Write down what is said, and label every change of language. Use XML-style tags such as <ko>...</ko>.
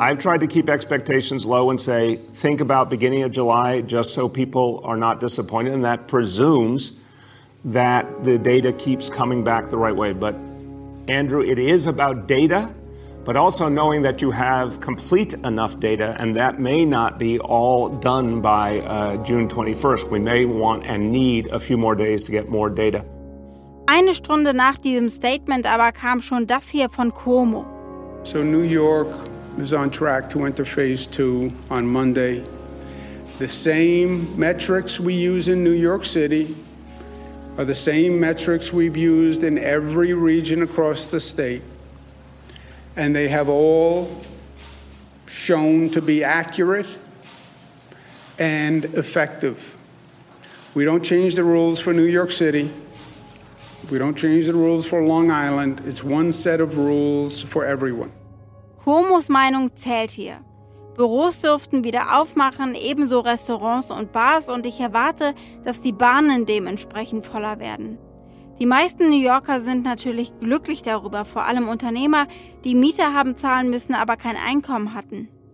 <en>I've tried to keep expectations low and say, think about beginning of July, just so people are not disappointed, and that presumes that the data keeps coming back the right way. But Andrew, it is about data, but also knowing that you have complete enough data and that may not be all done by June 21st. We may want and need a few more days to get more data.</en> <de>Eine Stunde nach diesem Statement aber kam schon das hier von Cuomo.</de> <en>So New York is on track to enter phase 2 on Monday. The same metrics we use in New York City are the same metrics we've used in every region across the state. And they have all shown to be accurate and effective. We don't change the rules for New York City. We don't change the rules for Long Island. It's one set of rules for everyone.</en> <de>Cuomos Meinung zählt hier. Büros dürften wieder aufmachen, ebenso Restaurants und Bars, und ich erwarte, dass die Bahnen dementsprechend voller werden. Die meisten New Yorker sind natürlich glücklich darüber, vor allem Unternehmer, die Mieter haben zahlen müssen, aber kein Einkommen hatten.</de>